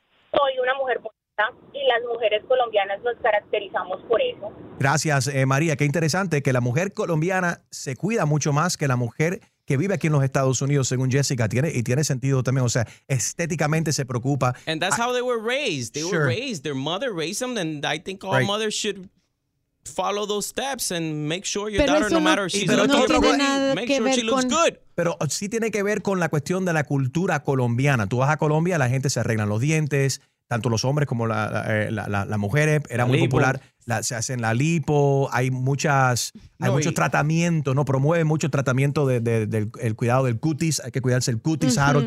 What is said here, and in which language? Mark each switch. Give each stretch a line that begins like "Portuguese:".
Spanish: Soy una mujer bonita y las mujeres colombianas nos caracterizamos por eso. Gracias, María. Qué interesante que la mujer colombiana se cuida mucho más que la mujer que vive aquí en los Estados Unidos, según Jessica, tiene sentido también, o sea, estéticamente se preocupa.
English: And that's how they were raised. They were raised, their mother raised them, and I think all mothers should follow those steps and make sure your daughter, no matter she's looking good, make sure she looks good.
Spanish: Pero sí tiene que ver con la cuestión de la cultura colombiana. Tú vas a Colombia, la gente se arregla los dientes, tanto los hombres como las mujeres, era muy popular. Se hacen la lipo, hay muchos tratamientos, ¿no? Promueve mucho tratamiento del cuidado del cutis. Hay que cuidarse el cutis, Harold. Uh-huh.